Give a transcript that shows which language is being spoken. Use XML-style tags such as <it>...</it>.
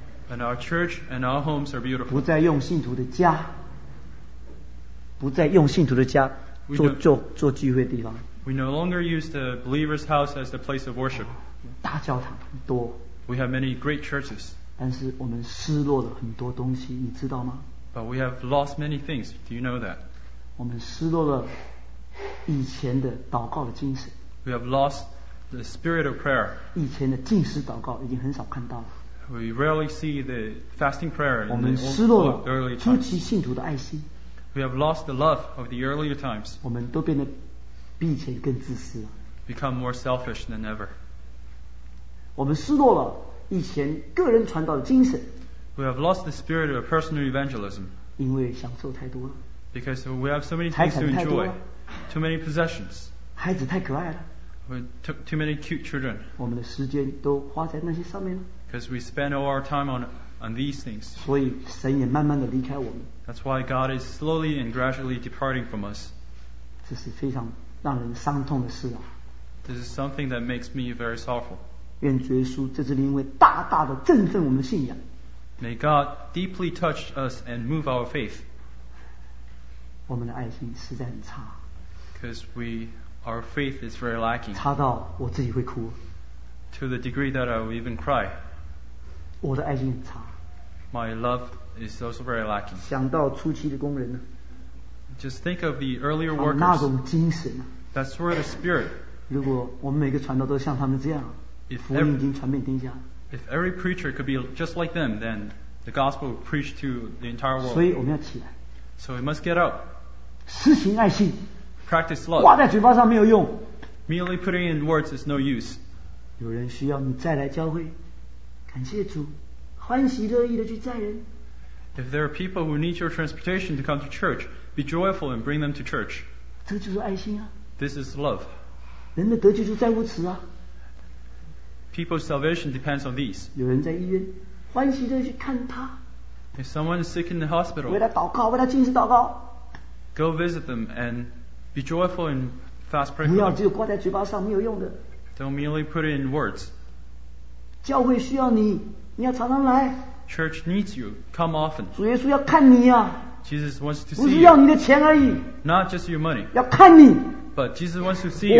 <en>And our church and our homes are beautiful.</en> <zh>不再用信徒的家，不再用信徒的家做聚会的地方。</zh> <en>We no longer use the believer's house as the place of worship.</en> <zh>大教堂很多。</zh> <en>We have many great churches.</en> <zh>但是我们失落了很多东西，你知道吗？</zh> <en>But we have lost many things. Do you know that?</en> <zh>我们失落了以前的祷告的精神。</zh> <en>We have lost the spirit of prayer.</en> <zh>以前的禁食祷告已经很少看到了。</zh> <en>We rarely see the fasting prayer.</en> <zh>我们失落了初期信徒的爱心。</zh> <en>We have lost the love of the earlier times.</en> <zh>我们都变得比以前更自私了。</zh> <en>become more selfish than ever.</en> <zh>我们失落了以前个人传道的精神。</zh> <en>We have lost the spirit of personal evangelism.</en> <zh>因为享受太多了。</zh> <en>Because we have so many things to enjoy. Too many possessions.</en> <zh>孩子太可爱了。</zh> <en>We took too many cute children.</en> <zh>我们的时间都花在那些上面了。</zh> <en>Because we spend all our time on these things.</en> <zh>所以神也慢慢地离开我们。</zh> <en>That's why God is slowly and gradually departing from us.</en> <zh>这是非常让人伤痛的事啊。</zh> <en>This is something that makes me very sorrowful.</en> <zh>愿主耶稣这次因为大大的振奋我们的信仰。</zh> <en>May God deeply touch us and move our faith.</en> <zh>我们的爱心实在很差。</zh> <en>Because our faith is very lacking.</en> <zh>差到我自己会哭。</zh> <en>To the degree that I will even cry.</en> <zh>我的爱心很差。</zh> <en>My love is also very lacking.</en> <zh>想到初期的工人呢。</zh> <en>Just think of the earlier workers.</en> <zh>那种精神啊。</zh> <en>That sort of spirit.</en> <zh>如果我们每个传道都像他们这样。</zh> <en>If every preacher could be just like them, then the gospel would preach to the entire world.</en> <zh>所以我们要起来。</zh> <en>So we must get up.</en> <zh>实行爱心。</zh> <en>Practice love.</en> <zh>挂在嘴巴上没有用。</zh> <en>Merely putting in words is no use.</en> <zh>有人需要你再来教会，感谢主，欢喜乐意的去载人。</zh> <en>If there are people who need your transportation to come to church, be joyful and bring them to church.</en> <zh>这就是爱心啊。</zh> <en>This is love.</en> <zh>人的得救就在乎此啊。</zh> <en>People's salvation depends on these.</en> <zh>有人在医院，欢喜的去看他。</zh> <en>If someone is sick in the hospital,</en> <zh>为他祷告，为他进食祷告。</zh> <en>Go visit them and be joyful and fast pray.</en> <zh>不要只有挂在嘴巴上没有用的。</zh> <en>Don't merely put it in words.</en> <zh>教会需要你，你要常常来。</zh> <en>Church needs you. Come often.</en> <zh>主耶稣要看你啊。</zh> <en>Jesus wants to see</en> <zh>you. 不是要你的钱而已。</zh> <en>Not just your money.</en> <zh>要看你。</zh> <en>But Jesus wants to see you.</en>